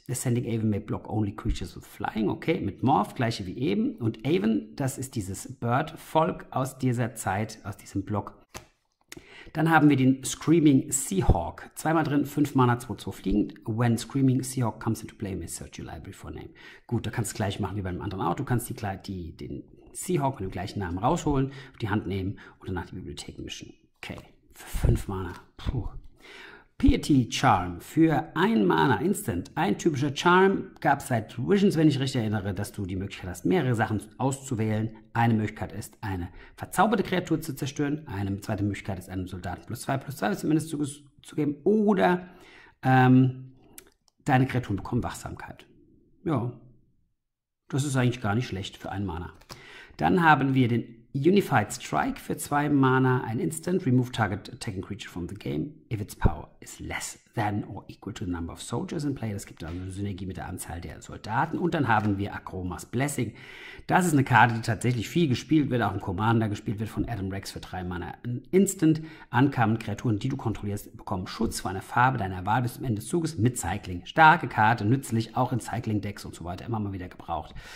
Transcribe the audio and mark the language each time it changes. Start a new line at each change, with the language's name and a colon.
English: Ascending Avon may block only creatures with flying.
German: Okay, mit Morph, gleiche wie eben. Und Avon, das ist dieses Bird-Volk aus dieser Zeit, aus diesem Block. Dann haben wir den Screaming Seahawk. Zweimal drin, 5 Mana 2-2 fliegend.
English: When Screaming Seahawk comes into play, may search your library for name.
German: Gut, da kannst du gleich machen wie bei einem anderen auch. Du kannst den Seahawk mit dem gleichen Namen rausholen, auf die Hand nehmen und danach die Bibliothek mischen. Okay, für 5 Mana. Puh. Piety Charm für ein Mana Instant. Ein typischer Charm gab es seit Visions, wenn ich richtig erinnere, dass du die Möglichkeit hast, mehrere Sachen auszuwählen. Eine Möglichkeit ist, eine verzauberte Kreatur zu zerstören. Eine zweite Möglichkeit ist, einem Soldaten plus 2 zumindest zu geben. Oder deine Kreaturen bekommen Wachsamkeit. Ja, das ist eigentlich gar nicht schlecht für ein Mana. Dann haben wir den Unified Strike für 2 Mana, ein Instant.
English: Remove target attacking creature from the game if its power is less than or equal to the number of soldiers in play.
German: Das gibt also eine Synergie mit der Anzahl der Soldaten. Und dann haben wir Akromas Blessing. Das ist eine Karte, die tatsächlich viel gespielt wird, auch im Commander gespielt wird, von Adam Rex für 3 Mana, ein Instant. Ankamen Kreaturen, die du kontrollierst, bekommen Schutz vor einer Farbe deiner Wahl bis zum Ende des Zuges mit Cycling. Starke Karte, nützlich auch in Cycling-Decks und so weiter, immer mal wieder gebraucht.